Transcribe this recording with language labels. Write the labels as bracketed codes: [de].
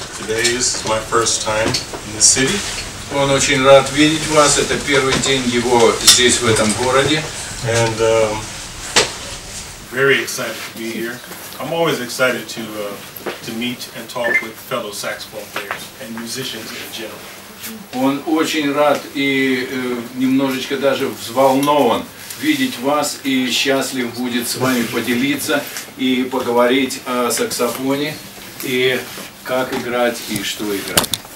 [en] Today is my first time in the city. [ru] Он очень рад видеть вас. Это первый день его здесь, в этом городе. [en] And very excited to be here. I'm always excited to meet and talk with fellow saxophone players and musicians in general. [ru] Он очень рад и немножечко даже взволнован видеть вас и счастлив будет с вами поделиться и поговорить о саксофоне и как играть и что играть.